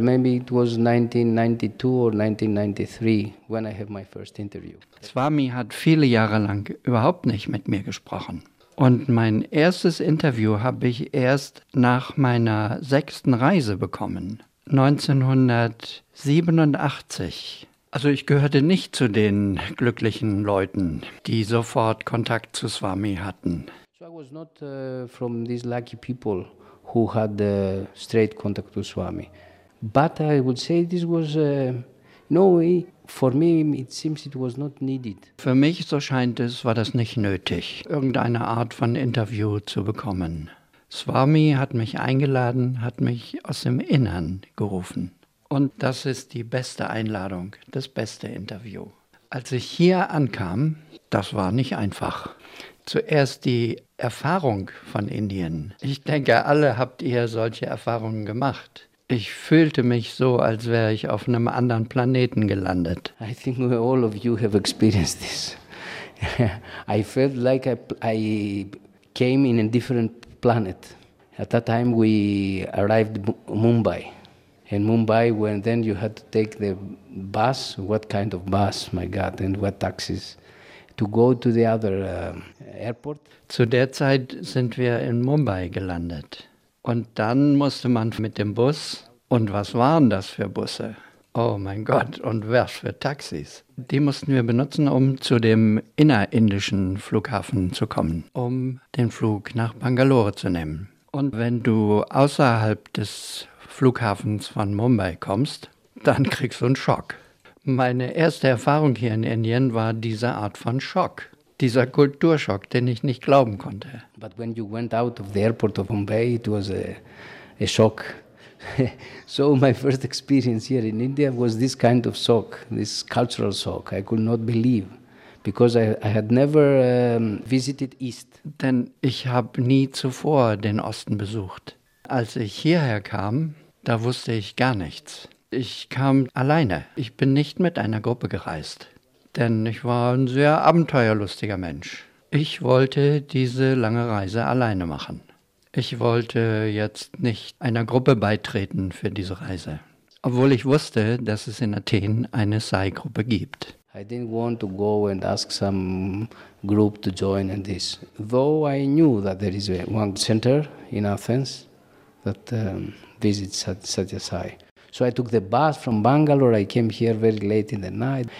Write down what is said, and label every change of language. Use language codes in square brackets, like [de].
[en] Maybe it was 1992 or 1993 when I had my first interview. [de] Swami hat viele Jahre lang überhaupt nicht mit mir gesprochen. Und mein erstes Interview habe ich erst nach meiner sechsten Reise bekommen, 1987. Also ich gehörte nicht zu den glücklichen Leuten, die sofort Kontakt zu Swami hatten. [en] So I was not from these lucky people who had the straight contact with Swami. But I would say this was, no way, for me it seems it was not needed. [de] Für mich, so scheint es, war das nicht nötig, irgendeine Art von Interview zu bekommen. Swami hat mich eingeladen, hat mich aus dem Innern gerufen. Und das ist die beste Einladung, das beste Interview. Als ich hier ankam, das war nicht einfach. Zuerst die Erfahrung von Indien. Ich denke, alle habt ihr solche Erfahrungen gemacht. Ich fühlte mich so, als wäre ich auf einem anderen Planeten gelandet. [en] I think all of you have experienced this. I felt like I came in a different planet. At that time we arrived in Mumbai. In Mumbai, when then you had to take the bus, what kind of bus, my God, and what taxis. To go to the other airport. [de] Zu der Zeit sind wir in Mumbai gelandet. Und dann musste man mit dem Bus. Und was waren das für Busse? Oh mein Gott, und was für Taxis. Die mussten wir benutzen, um zu dem innerindischen Flughafen zu kommen, um den Flug nach Bangalore zu nehmen. Und wenn du außerhalb des Flughafens von Mumbai kommst, dann kriegst du einen Schock. Meine erste Erfahrung hier in Indien war diese Art von Schock, dieser Kulturschock, den ich nicht glauben konnte. [en] But when you went out of the airport of Mumbai, it was a shock. So my first experience here in India was this kind of shock, this cultural shock. I could not believe, because I had never visited East. [de] Denn ich habe nie zuvor den Osten besucht. Als ich hierher kam, da wusste ich gar nichts. Ich kam alleine. Ich bin nicht mit einer Gruppe gereist, denn ich war ein sehr abenteuerlustiger Mensch. Ich wollte diese lange Reise alleine machen. Ich wollte jetzt nicht einer Gruppe beitreten für diese Reise, obwohl ich wusste, dass es in Athen eine Sai-Gruppe gibt. [en] I didn't want to go and ask some group to join in this, though I knew that there is one center in Athens that visits Satya Sai. So I took the bus from Bangalore. I came here very late in the night.